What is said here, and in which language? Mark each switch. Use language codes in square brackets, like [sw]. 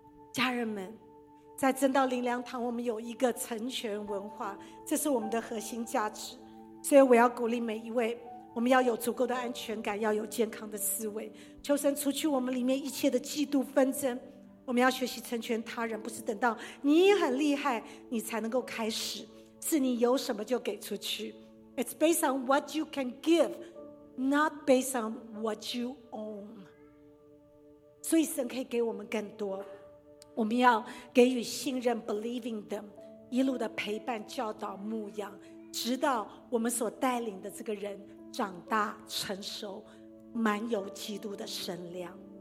[zh] 家人们，在真道灵粮堂，我们有一个成全文化，这是我们的核心价值。所以我要鼓励每一位，我们要有足够的安全感，要有健康的思维，求神除去我们里面一切的嫉妒纷争。我们要学习成全他人，不是等到你很厉害你才能够开始，是你有什么就给出去。 [en] It's based on what you can giveNot based on what you own. [zh] 所以神可以给我们更多，我们要给予信任， [en] believing them， [zh] 一路的陪伴教导牧养，直到我们所带领的这个人长大成熟，满有基督的身量。